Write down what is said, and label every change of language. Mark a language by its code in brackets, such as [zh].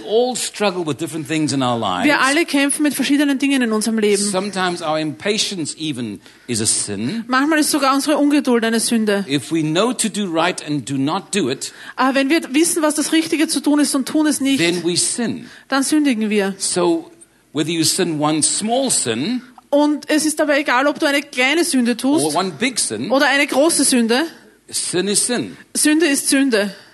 [en] We all struggle with different things in our lives. [de] Wir alle kämpfen mit verschiedenen Dingen in unserem Leben. [en] Sometimes our impatience even is a sin. [de] Manchmal ist sogar unsere Ungeduld eine Sünde. [en] If we know to do right and do not do it, [de] aber wenn wir wissen, was das Richtige zu tun ist und tun es nicht, [en] then we sin. [de] Dann sündigen wir. [en] So whether you sin one small sin, [de] und es ist dabei egal, ob du eine kleine Sünde tust [en] or one big sin, [de] oder eine große Sünde. [en] Sin is sin. [de] Sünde ist Sünde.